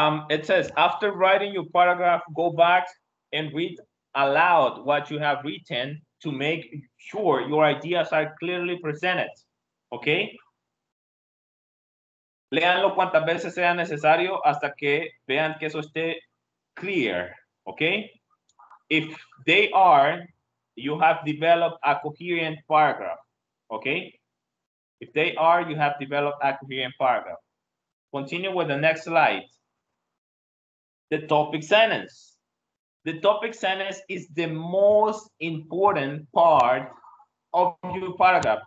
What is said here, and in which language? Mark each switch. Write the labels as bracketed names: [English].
[English] It says, after writing your paragraph, go back and read aloud what you have written to make sure your ideas are clearly presented. ¿Ok? [Spanish] Léanlo cuantas veces sea necesario hasta que vean que eso esté clear. [English] ¿Ok? If they are, you have developed a coherent paragraph. ¿Ok? If they are, you have developed a coherent paragraph. Continue with the next slide. The topic sentence. The topic sentence is the most important part of your paragraph.